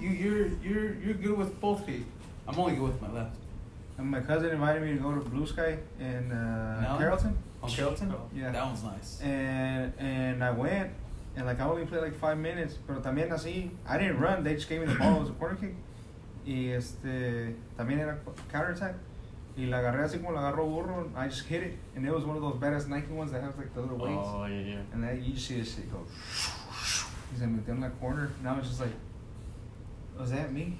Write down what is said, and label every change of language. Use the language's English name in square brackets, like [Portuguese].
[English] You're good with both feet. I'm only good with my left. And my cousin invited me to go to Blue Sky in Carrollton. On Shelton? Yeah. That one's nice. And I went, and like I only played like 5 minutes, [Spanish] pero también así, [English] I didn't run, they just gave me the ball, it was a corner kick. [Spanish] Y este, también era counterattack. Y la agarré así como la agarro burro, [English] I just hit it, and it was one of those badass Nike ones that have like the little oh, weights. Oh, yeah, yeah. And then you just see this shit go, [Spanish] y se metió en la corner, [English] and I was just like, was that me?